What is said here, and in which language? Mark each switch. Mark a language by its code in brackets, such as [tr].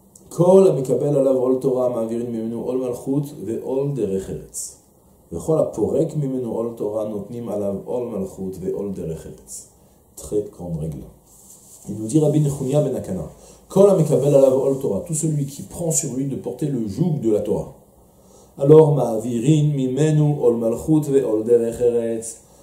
[he] כל המקבל עליו עול תורה מעבירים ממנו עול מלכות ועול דרך ארץ. וכל הפורק ממנו עול תורה נותנים עליו עול מלכות ועול דרך ארץ. [fr] Très grande règle. Il nous dit Rabbi Nechunia ben Akana, [he] כל המקבל עליו עול תורה, [fr] tout celui qui prend sur lui de porter le joug de la Torah. [he] Alors מעבירים ממנו עול מלכות ועול דרך ארץ.